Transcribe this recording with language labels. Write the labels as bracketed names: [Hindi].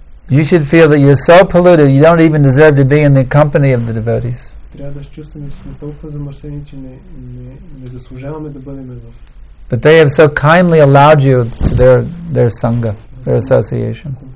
[English] You should feel that you're so polluted you don't even deserve to be in the company of the devotees. [Bulgarian] Трябва да чувстваме, че сме толкова замърсени, че не заслужаваме да бъдем в. [English] But they have so kindly allowed you to their sangha, their association.